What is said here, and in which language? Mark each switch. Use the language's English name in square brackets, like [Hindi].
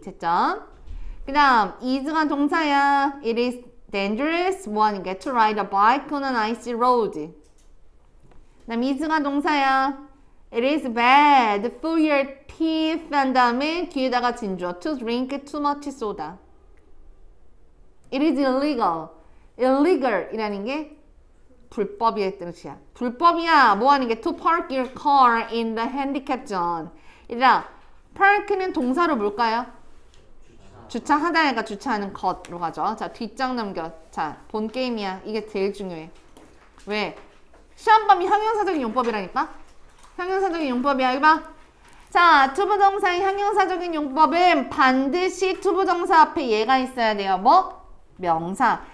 [Korean] 채점. 그 다음 is가 동사야. [English] It is dangerous one get to ride a bike on an icy road. [Korean] 그 다음 is가 동사야. [English] It is bad for your teeth. [Korean] 한 다음에 뒤에다가 진주어 [English] to drink too much soda. It is illegal. [Korean] illegal 이라는 게 불법이의 뜻이야. 불법이야. 뭐 하는 게 [English] to park your car in the handicap zone. [Korean] 이라 park는 동사로 뭘까요? 주차하다. 애가 주차하는 것으로 가죠. 자, 뒷장 넘겨. 자, 본 게임이야. 이게 제일 중요해. 왜? 시험범이 형용사적인 용법이라니까? 형용사적인 용법이야. 이봐. 자, 투부정사의 형용사적인 용법은 반드시 투부정사 앞에 얘가 있어야 돼요. 뭐? 명사.